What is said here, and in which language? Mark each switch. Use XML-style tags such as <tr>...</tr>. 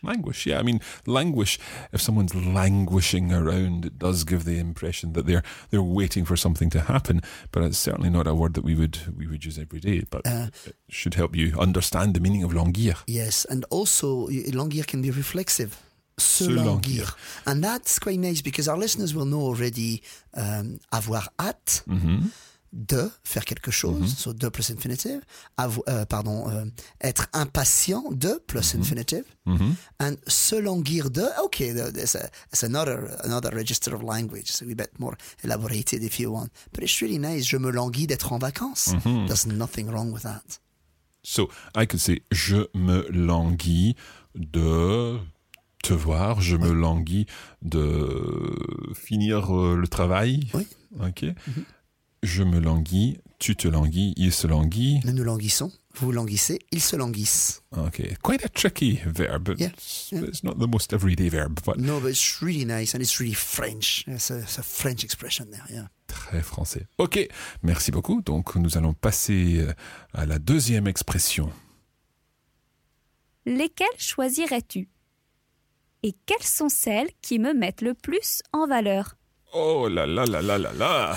<en>Languish, yeah. I mean, languish, if someone's languishing around, it does give the impression that they're waiting for something to happen, but it's certainly not a word that we would use every day, but it should help you understand the meaning of languir. Yes, and also languir can be reflexive. Se languir. And that's quite nice because our listeners will know already avoir hâte mm-hmm.</en> <fr>de faire quelque chose, mm-hmm. so de plus infinitive, être impatient de plus mm-hmm.</fr> <en>infinitive, mm-hmm. and se languir de, okay, that's another register of language, so a bit more elaborated if you want. But it's really nice,</en> <fr>je me languis d'être en vacances.</fr> <en>Mm-hmm. There's nothing wrong with that. So I could say,</en> <fr>je me languis de... te voir, je me languis de finir le travail. Oui. Ok. Mm-hmm. Je me languis, tu te languis, il se languit. Nous nous languissons, vous languissez, ils se languissent.</fr> <en>Ok. Quite a tricky verb. Yeah. It's not the most everyday verb. But... No, but it's really nice and it's really French. It's a French expression there. Yeah.</en> <fr>Très français. Ok. Merci beaucoup. Donc, nous allons passer à la deuxième expression. Lesquelles choisirais-tu? Et quelles sont celles qui me mettent le plus en valeur? Oh là là là là là là!</fr>